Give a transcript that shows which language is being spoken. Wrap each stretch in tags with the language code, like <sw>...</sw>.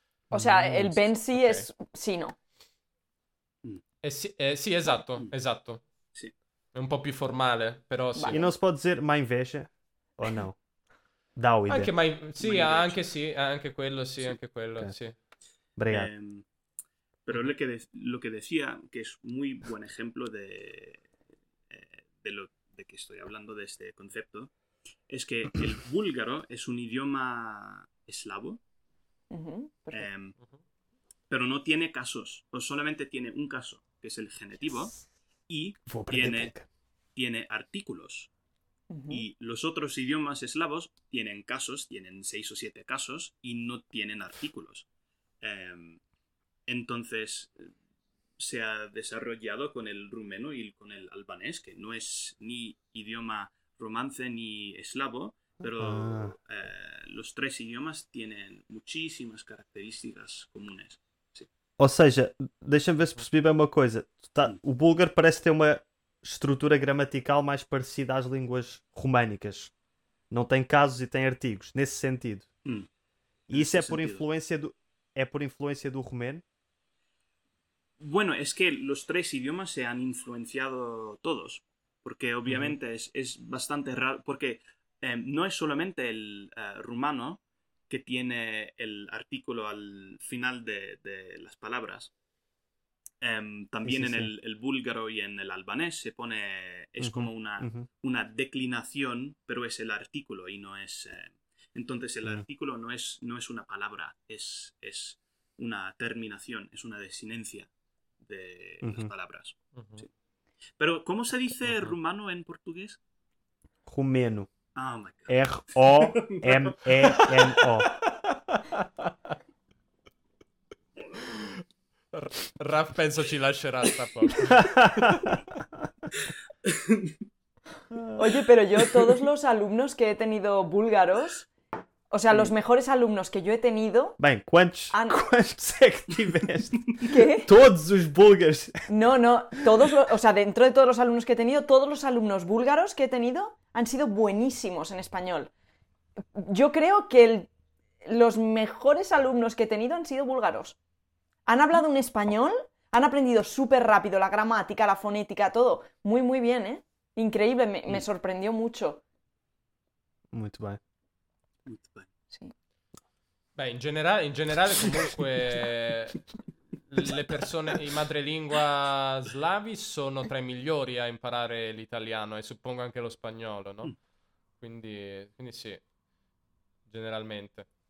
<es>O sea,</es> <it>il bensì è sino. Sì, esatto, esatto. Sì. È un po' più formale, però sì. E non si può dire ma invece o no? Davide. Anche mai, sì, ma anche sì, anche quello sì, sì. Anche quello okay. Sì. Brega.</it> <es>Però lo che decía,</es> <it>che è un</it> <es>muy buon esempio de dello que estoy hablando de este concepto es que el búlgaro es un idioma eslavo pero no tiene casos o solamente tiene un caso que es el genitivo y tiene artículos y los otros idiomas eslavos tienen casos, tienen 6 o 7 casos y no tienen artículos entonces se ha desarrollado con el rumano y con el albanés, que no es ni idioma romance ni eslavo, pero los tres idiomas tienen muchísimas características comunes.</es> <pt>Ou seja, deixa-me ver se percebi bem uma coisa. O búlgaro parece ter uma estrutura gramatical mais parecida às línguas românicas. Não tem casos e tem artigos, nesse sentido. E isso é por influência do, é por influência do romeno?</pt> <es>Bueno, es que los tres idiomas se han influenciado todos. Porque obviamente es bastante raro. Porque no es solamente el rumano que tiene el artículo al final de las palabras. También en el búlgaro y en el albanés se pone, es como una declinación, pero es el artículo y no es... entonces el artículo no es una palabra, es una terminación, es una desinencia de las palabras. Sí. Pero, ¿cómo se dice rumano en portugués?</es> <pt>Rumeno.</pt> <en>Oh my God.</en> <pt>R-O-M-E-N-O.</pt> <it>Raf penso ci lascerà sta poco.</it> <es>Oye, pero yo todos los alumnos que he tenido búlgaros, o sea, los mejores alumnos que yo he tenido...</es> <pt>Ben, ¿cuántos es que tiveste?</pt> <es>¿Qué? Todos los búlgaros. No, todos los... O sea, dentro de todos los alumnos que he tenido, todos los alumnos búlgaros que he tenido han sido buenísimos en español. Yo creo que los mejores alumnos que he tenido han sido búlgaros. Han hablado un español, han aprendido súper rápido la gramática, la fonética, todo. Muy, muy bien, ¿eh? Increíble, me sorprendió mucho. Muy bien.</es> <it>Sì. Beh, in generale comunque le persone, i madrelingua slavi sono tra i migliori a imparare l'italiano e suppongo anche lo spagnolo, no? Quindi sì, generalmente.</it>